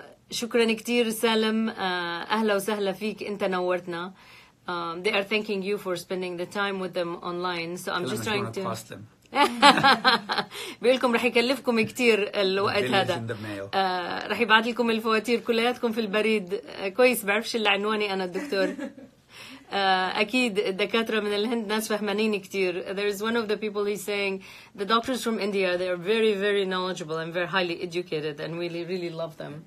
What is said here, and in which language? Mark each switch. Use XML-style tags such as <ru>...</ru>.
<ar>شكرا كتير سالم. أهلا وسهلا فيك أنت نورتنا.</ar> <en>They are thanking you for spending the time with them online. So I'm just trying to cost them.</en> <ar>بيقولكم رح يكلفكم كتير الوقت هذا. رح يبعث لكم الفواتير كلياتكم في البريد. كويس بعرفش العنواني أنا الدكتور. أكيد الدكاترة من الهند ناس فهمانين كتير.</ar> <en>There is one of the people he's saying the doctors from India, they are very very knowledgeable and very highly educated and we really, really love them.</en>